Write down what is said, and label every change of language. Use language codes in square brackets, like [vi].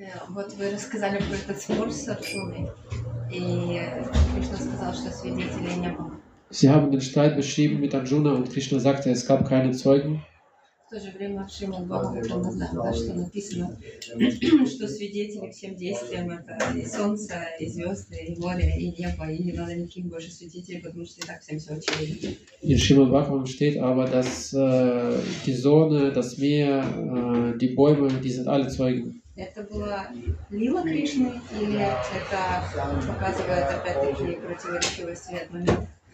[ru] Вот вы рассказали про этот спор с Арджуной, и Кришна сказал, что свидетелей не было. [de] Sie haben den Streit beschrieben mit Arjuna und Krishna sagte, es gab keine Zeugen. [ru] В то же время Шримад Бхагаватам, да, что написано, что свидетели всем действиям это и солнце, и звезды, и море, и небо, и не надо никаких больше свидетелей, потому что и так всем все очевидно. [de] In Shrimad Bhagavatam steht aber, dass die Sonne, das Meer, die Bäume, die sind alle Zeugen. [ru] Это была Лила Кришны или это показывает опять-таки противоречивый свет момент?